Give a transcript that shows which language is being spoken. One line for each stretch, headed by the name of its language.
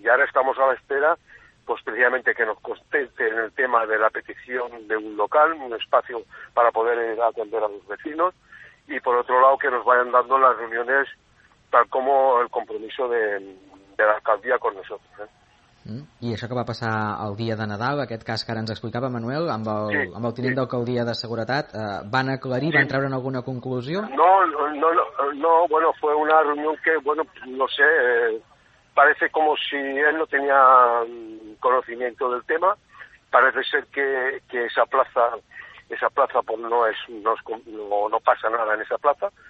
Spanish: Y ahora estamos a la espera, pues precisamente que nos conteste en el tema de la petición de un local, un espacio para poder atender a los vecinos, y por otro lado que nos vayan dando las reuniones tal como el compromiso de la alcaldía con nosotros.
Catalan: I això que va passar el dia de Nadal, aquest cas que ara ens explicava Manuel, amb el tinent d'alcaldia de seguretat, van aclarir, van treure alguna conclusió?
Spanish: No, bueno, fue una reunión que, bueno, no sé, parece como si él no tenía conocimiento del tema. Parece ser que esa plaza pues no pasa nada en esa plaza.